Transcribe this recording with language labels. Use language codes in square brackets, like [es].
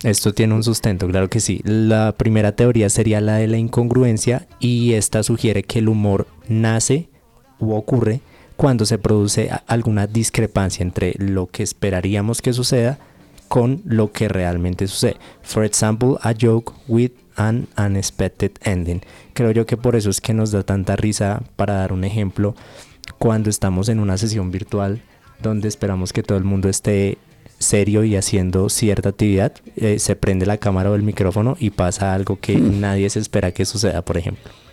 [es] Esto tiene un sustento, claro que sí. La primera teoría sería la de la incongruencia, y esta sugiere que el humor nace u ocurre cuando se produce alguna discrepancia entre lo que esperaríamos que suceda con lo que realmente sucede. [en] For example, a joke with an unexpected ending. [es] Creo yo que por eso es que nos da tanta risa, para dar un ejemplo, cuando estamos en una sesión virtual donde esperamos que todo el mundo esté serio y haciendo cierta actividad, se prende la cámara o el micrófono y pasa algo que nadie se espera que suceda, por ejemplo.